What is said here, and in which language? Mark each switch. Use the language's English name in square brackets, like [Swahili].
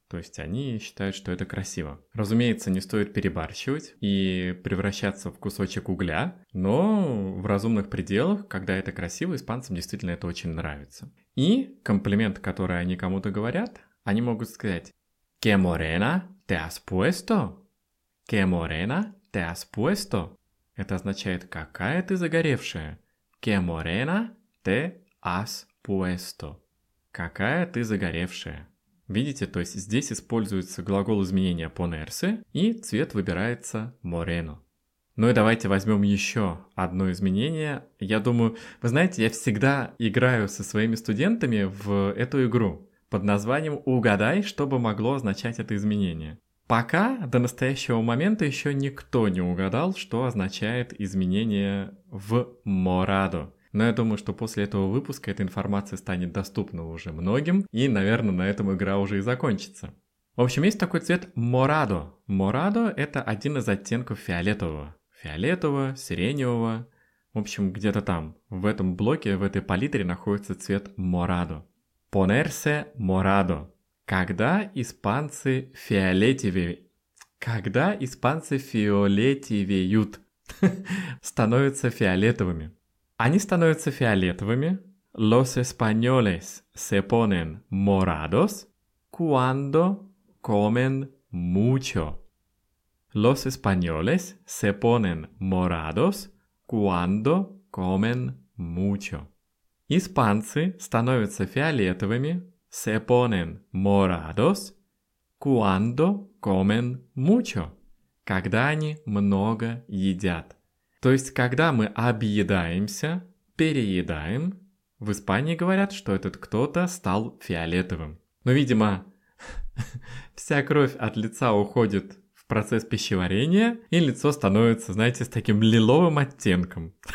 [Russian] То есть они считают, что это красиво. Разумеется, не стоит перебарщивать и превращаться в кусочек угля, но в разумных пределах, когда это красиво, испанцам действительно это очень нравится. И комплимент, который они кому-то говорят, они могут сказать [Spanish] «Qué morena te has puesto?» «Qué morena te has puesto?» [Russian] Это означает «Какая ты загоревшая?» [Spanish] «Qué morena te has puesto?» [Russian] «Какая ты загоревшая?» Видите, то есть здесь используется глагол изменения ponerse, и цвет выбирается moreno. Ну и давайте возьмем еще одно изменение. Я думаю, вы знаете, я всегда играю со своими студентами в эту игру под названием «Угадай, что бы могло означать это изменение». Пока до настоящего момента еще никто не угадал, что означает изменение в morado. Но я думаю, что после этого выпуска эта информация станет доступна уже многим, и, наверное, на этом игра уже и закончится. В общем, есть такой цвет morado. Morado — это один из оттенков фиолетового. Фиолетового, сиреневого. В общем, где-то там, в этом блоке, в этой палитре находится цвет morado. [Spanish] Ponerse morado. [Russian] Когда испанцы фиолетевеют? Когда испанцы фиолетевеют? Становятся фиолетовыми. Они становятся фиолетовыми. [Spanish] Los españoles se ponen morados cuando comen mucho. Los españoles se ponen morados cuando comen mucho. [Russian] Испанцы становятся фиолетовыми. [Spanish] Se ponen morados cuando comen mucho. [Russian] Когда они много едят. То есть, когда мы объедаемся, переедаем, в Испании говорят, что этот кто-то стал фиолетовым. Но, видимо, вся кровь от лица уходит в процесс пищеварения, и лицо становится, знаете, с таким лиловым оттенком.